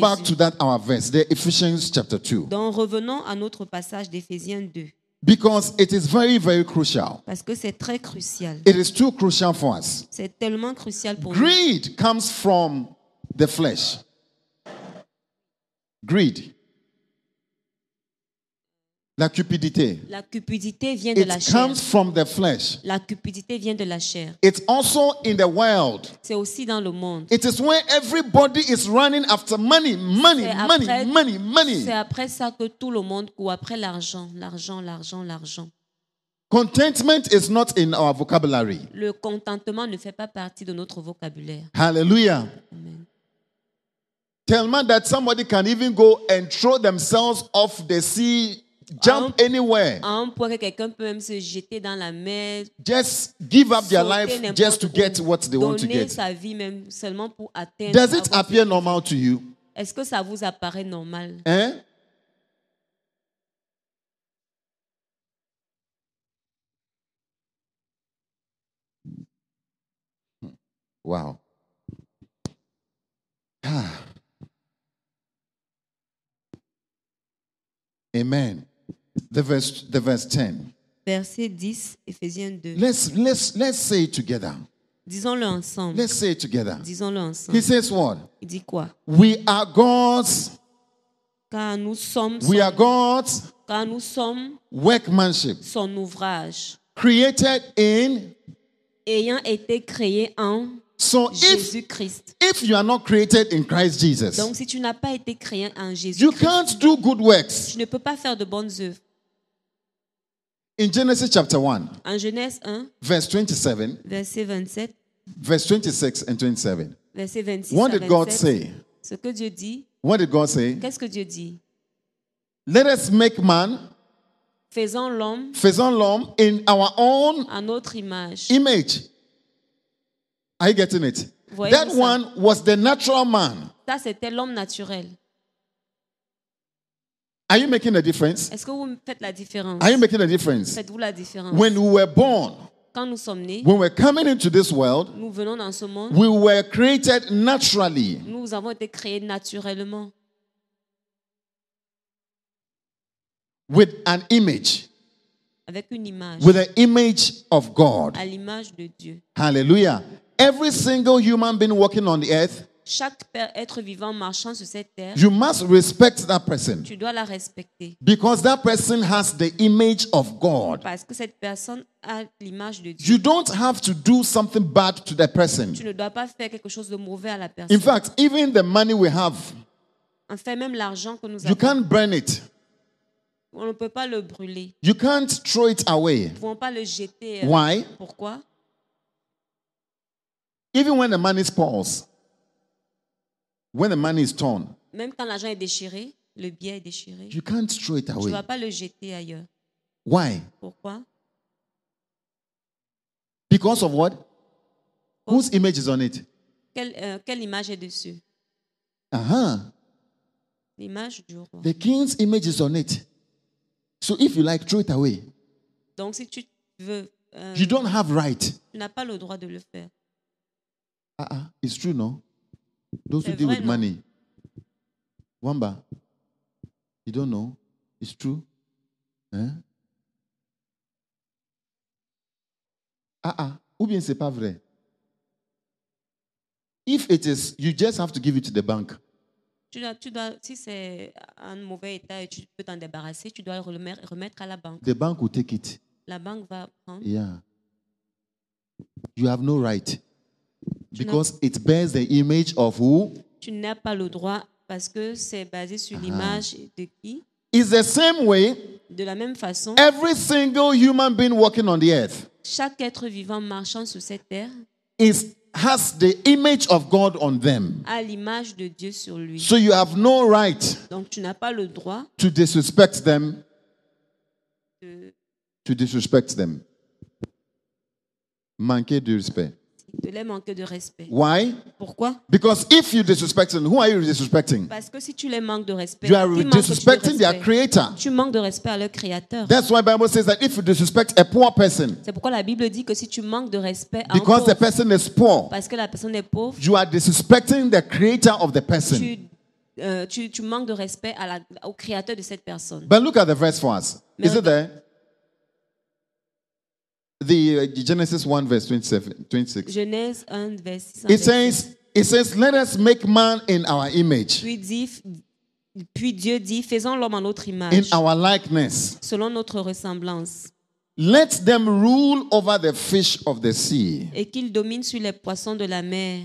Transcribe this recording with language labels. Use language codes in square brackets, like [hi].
[en] Back to that our verse, the Ephesians chapter 2. [fr] Donc revenons à notre passage d'Éphésiens 2. [en] Because it is very, very crucial. [fr] Parce que c'est très crucial. [en] It is too crucial for us. [fr] C'est tellement crucial pour [en] greed [fr] nous. [en] Comes from the flesh. Greed. [fr] La cupidité. La cupidité vient de [en] it [fr] la [en] comes [fr] chair. [en] Comes from the flesh. [fr] La cupidité vient de la chair. [en] It's also in the world. [fr] C'est aussi dans le monde. [en] It is where everybody is running after money, money, [fr] après, [en] money, money, money. [fr] C'est après ça que tout le monde court après l'argent, l'argent, l'argent, l'argent. [en] Contentment is not in our vocabulary. [fr] Le contentement ne fait pas partie de notre vocabulaire. [en] Hallelujah. Amen. Tell me that somebody can even go and throw themselves off the sea. Jump anywhere. [fr] À un point que quelqu'un peut même se jeter dans la mer. [en] Just give up their life just to get what they want to get. [fr] Donner sa vie même seulement pour atteindre. [en] Does it appear normal to you? [fr] Est-ce que ça vous apparaît normal? Hein? [en] Wow. Amen. The verse 10. [fr] Verset 10, Ephésiens 2. [en] Let's say it together. [fr] Disons-le ensemble. [en] Let's say it together. [fr] Disons-le ensemble. [en] He says what? [fr] Il dit quoi? [en] We are God's. [fr] Car nous sommes. [en] We are God's. [fr] Car nous sommes. [en] Workmanship. [fr] Son ouvrage. [en] Created in. [fr] Ayant été créé en. [en] So [fr] Jésus-Christ. [en] If you are not created in Christ Jesus. [fr] Donc si tu n'as pas été créé en Jésus-Christ. [en] You can't do good works. [fr] Tu ne peux pas faire de bonnes œuvres. [en] In Genesis chapter 1. [fr] En Genèse 1. [en] Verse 27. [fr] Verset 27. [en] Verse 26 and 27. [fr] Verset 26. [en] What did God say? [fr] Ce que Dieu dit. [en] What did God say? [fr] Qu'est-ce que Dieu dit? [en] Let us make man. [fr] Faisons l'homme. Faisons l'homme [en] in our own. [fr] À notre image. [en] Image. Are you getting it? [fr] Voyez [en] that [fr] ça? [en] One was the natural man. [fr] Ça, c'était l'homme naturel. [en] Are you making a difference? [fr] Est-ce que vous faites la différence? [en] Are you making a difference? [fr] Faites-vous la différence? [en] When we were born. [fr] Quand nous sommes nés. [en] When we were coming into this world. [fr] Nous venons dans ce monde. [en] We were created naturally. [fr] Nous avons été créés naturellement. [en] With an image. [fr] Avec une image. [en] With an image of God. [fr] À l'image de Dieu. [en] Hallelujah. Every single human being walking on the earth, [fr] chaque être vivant marchant sur cette terre, [en] you must respect that person. [fr] Tu dois la respecter. [en] Because that person has the image of God. [fr] Parce que cette personne a l'image de Dieu. [en] You don't have to do something bad to that person. [fr] Tu ne dois pas faire quelque chose de mauvais à la personne. [en] In fact, even the money we have, [fr] en fait, même l'argent que nous [en] you [fr] avons, [en] can't burn it. [fr] On ne peut pas le brûler. [en] You can't throw it away. [fr] Nous ne pouvons pas le jeter. [en] Why? [fr] Pourquoi? [en] Even when the money spoils, when the money is torn, [fr] même quand l'argent est déchiré, le bien est déchiré, [en] you can't throw it away. [fr] Tu ne vas pas le jeter ailleurs. [en] Why? [fr] Pourquoi? [en] Because of what? [fr] Pourquoi? [en] Whose image is on it? [fr] Quelle image est dessus? Uh-huh. L'image du roi. [en] The king's image is on it. So if you like, throw it away. [fr] Donc si tu veux, [en] you don't have right. [fr] Tu n'as pas le droit de le faire. [en] It's true, no? Those who deal with money. Wamba, you don't know? It's true? Hein? [fr] Ou bien c'est pas vrai? [en] If it is, you just have to give it to the bank. [fr] Tu dois, si c'est un mauvais état et tu peux t'en débarrasser, tu dois le remettre à la banque. [en] The bank will take it. [fr] La banque va prendre. [en] Yeah. You have no right. Because it bears the image of who? [fr] Tu n'as pas le droit parce que c'est basé sur l'image de qui? [en] It's the same way. [fr] De la même façon. [en] Every single human being walking on the earth. [fr] Chaque être vivant marchant sur cette terre. [en] Has the image of God on them. [fr] A l'image de Dieu sur lui. [en] So you have no right. [fr] Donc tu n'as pas le droit. [en] To disrespect them. To disrespect them. [fr] Manquer de respect. De les manquer de respect. [en] Why? [fr] Pourquoi? [en] Because if you disrespect them, who are you disrespecting? [fr] Parce que si tu les manques de respect, [en] you are disrespecting [fr] respect. [en] Their creator. [fr] Tu manques de respect à leur créateur. [en] That's why Bible says that if you disrespect a poor person, [fr] c'est pourquoi la Bible dit que si tu manques de respect à [en] because [fr] un pauvre, [en] the person is poor, [fr] parce que la personne est pauvre, [en] you are disrespecting the creator of the person. [fr] Tu manques de respect à au créateur de cette personne. [en] But look at the verse for us. Mais is it there? The Genesis 1 verse 27, 26. 26. It says, "Let us make man in our image." [fr] Puis Dieu dit, faisons l'homme en notre image. [en] In our likeness. [fr] Selon notre ressemblance. [en] Let them rule over the fish of the sea. [fr] Et qu'ils dominent sur les poissons de la mer.